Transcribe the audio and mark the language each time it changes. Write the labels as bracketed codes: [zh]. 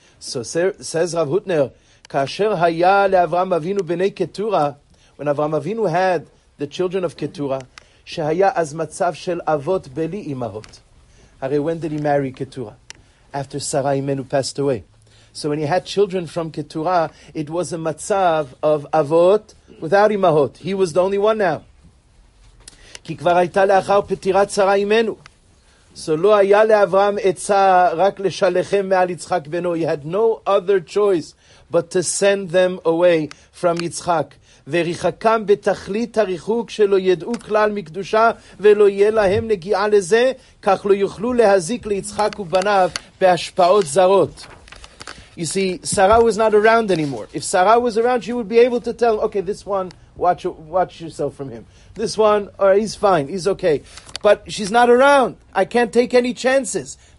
[en] So says Rav Hutner, [he] kasher haya le'Avram Avinu b'nei Ketura, [en] when Avram Avinu had the children of Ketura, [he] shehaya az matzav shel avot beli imahot. [en] Hare, when did he marry Ketura? After Sarah Imenu passed away. So when he had children from Ketura, it was a matzav of avot without imahot. He was the only one now. [he] כי כבר הייתה לאחר פטירת שרה אימנו. So לא היה לאברהם עצה רק לשלחם מעל יצחק בנו. [en] He had no other choice but to send them away from יצחק. [he] וריחקם בתכלית הריחוק שלא ידעו כלל מקדושה ולא יהיה להם נגיעה לזה, כך לא יוכלו להזיק ליצחק ובניו בהשפעות זרות. [en] You see, Sarah was not around anymore. If Sarah was around, she would be able to tell, okay, this one, watch yourself from him. This one, or he's fine, he's okay. But she's not around. I can't take any chances.